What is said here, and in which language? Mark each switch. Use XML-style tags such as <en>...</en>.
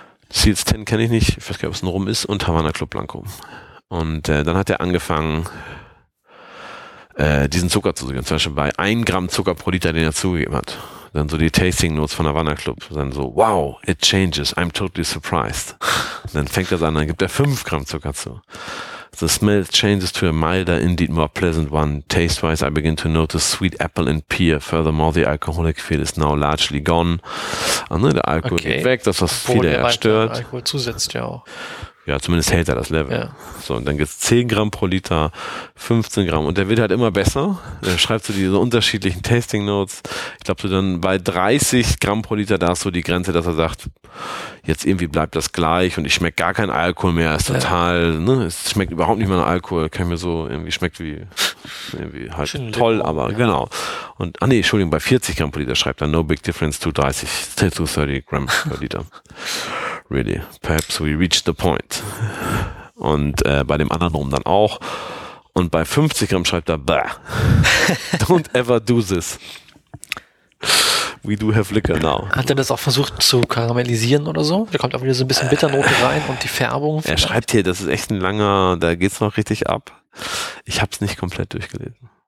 <de>Seals 10 kenne ich nicht. Ich weiß gar nicht, ob es ein Rum ist. Und Havanna Club Blanco. Und dann hat er angefangen, diesen Zucker zu suchen. Zum Beispiel bei 1 Gramm Zucker pro Liter, den er zugegeben hat. Dann so die Tasting Notes von Havanna Club. Dann so,</de> <en>wow, it changes. I'm totally surprised.</en> <de>Dann fängt das an, dann gibt er 5 Gramm Zucker zu.</de> <en>The smell changes to a milder, indeed more pleasant one. Taste-wise, I begin to notice sweet apple and pear. Furthermore, the alcoholic feel is now largely gone.</en> <de>Ah, ne, der Alkohol okay. geht weg, das was viele er stört. Alkohol zusetzt ja auch. Ja, zumindest hält er das Level. Ja. So, und dann gibt's 10 Gramm pro Liter, 15 Gramm. Und der wird halt immer besser. Dann schreibst du diese unterschiedlichen Tasting Notes. Ich glaube, du dann bei 30 Gramm pro Liter, da hast du die Grenze, dass er sagt, jetzt irgendwie bleibt das gleich und ich schmecke gar keinen Alkohol mehr. Ist total, ja. ne, es schmeckt überhaupt nicht mehr nach Alkohol. Kann ich mir so irgendwie schmeckt wie, irgendwie halt schön toll, Limo, aber ja. genau. Und, ah nee, Entschuldigung, bei 40 Gramm pro Liter schreibt er</de> <en>no big difference to 30,</en> <de>to 30 Gramm pro Liter.</de> <en>Really, perhaps we reached the point.</en> <de>Und bei dem anderen rum dann auch. Und bei 50 Gramm schreibt er, bah,</de> <en>don't ever do this. We do have liquor now.</en> <de>Hat er das auch versucht zu karamellisieren oder so? Da kommt auch wieder so ein bisschen Bitternote rein und die Färbung. Vielleicht? Er schreibt hier, das ist echt ein langer, da geht's noch richtig ab. Ich hab's nicht komplett durchgelesen.</de>